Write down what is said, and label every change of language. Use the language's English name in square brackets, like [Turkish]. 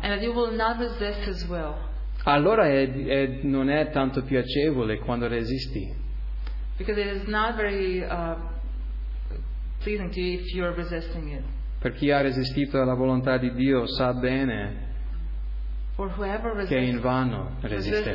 [English] And that you will not resist His will. [Italian] Allora è, non è tanto piacevole quando resisti. [English] Because it is not very pleasing to you if you are resisting it. [Italian] Per chi ha resistito alla volontà di Dio sa bene che è in vano resistere.